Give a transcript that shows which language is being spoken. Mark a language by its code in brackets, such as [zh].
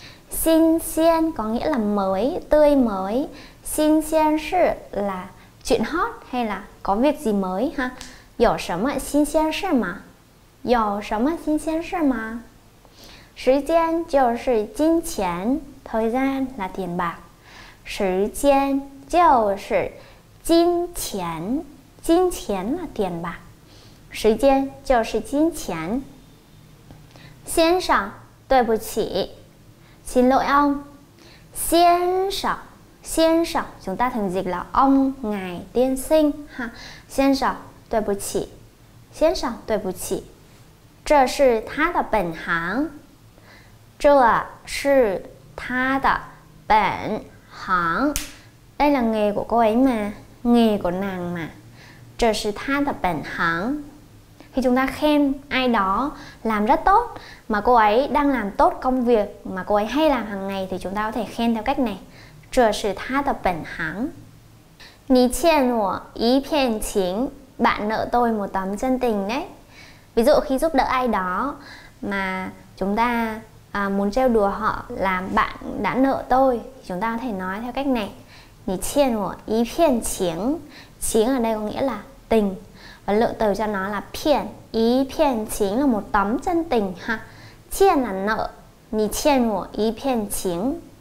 [vi] 新鲜 có nghĩa là mới, tươi mới. 新鲜事 là chuyện hot hay là có việc gì mới ha. [zh] 有什么新鲜事吗? 有什么新鲜事吗? 时间就是金钱, [vi] thời gian là tiền bạc. [zh] 时间就是金钱, 金钱 [vi] là tiền bạc. [zh] 时间就是金钱。先生, 对不起, 先生, 对不起, [vi] 先生先生, chúng ta thường dịch là ông, ngài, tiên sinh, ha. [zh] 先生, 对不起, 先生, 对不起, 这是他的本行, 这是他的本行, [vi] đây là nghề của cô ấy mà, nghề của nàng mà, [zh] 这是他的本行. [vi] Khi chúng ta khen ai đó làm rất tốt, mà cô ấy đang làm tốt công việc mà cô ấy hay làm hàng ngày, thì chúng ta có thể khen theo cách này. [zh] 这是他的本行。你欠我一片情, [vi] bạn nợ tôi một tấm chân tình đấy. Ví dụ khi giúp đỡ ai đó mà chúng ta muốn trêu đùa họ là bạn đã nợ tôi, chúng ta có thể nói theo cách này. [zh] 你欠我一片情, [vi] chính ở đây có nghĩa là tình, và lượng từ cho nó là 片, 一片情 là một tấm chân tình ha. [zh] 欠 [vi] là nợ, [zh] 你欠我一片情。